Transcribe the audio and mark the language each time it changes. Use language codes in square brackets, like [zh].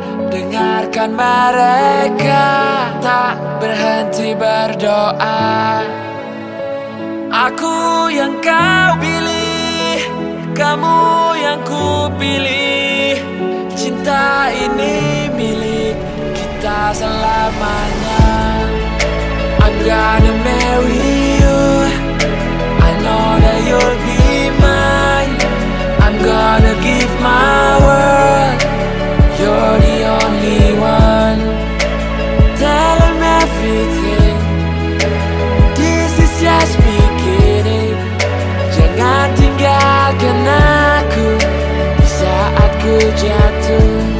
[id] Dengarkan mereka, tak berhenti berdoa. Aku yang kau pilih, kamu yang ku pilih. Cinta ini milik kita selamanya. [en] I'm gonna marry you, I know that you'll be mine. I'm gonna give my world, you're the only one. Tell him everything, this is just beginning. [id] Jangan tinggalkan aku di saat ku jatuh.